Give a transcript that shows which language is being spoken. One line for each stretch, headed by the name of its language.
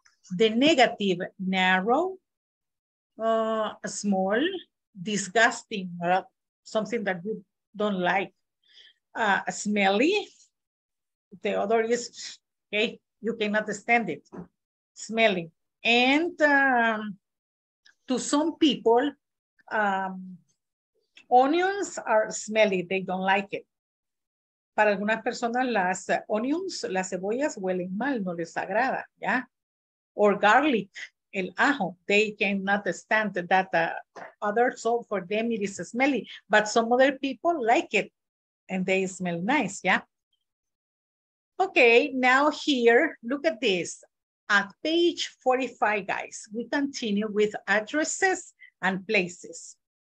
English: The negative, narrow, small, disgusting, something that you don't like. Smelly. The other is, okay, you cannot stand it, smelly. And to some people, onions are smelly, they don't like it.
Spanish: Para algunas personas, las onions, las cebollas huelen mal, no les agrada, ¿ya?
English: Or garlic,
Spanish: el ajo,
English: they cannot stand that. Other, so for them it is smelly, but some other people like it and they smell nice, ¿ya? Okay, now here, look at this. At page 45, guys, we continue with addresses and places.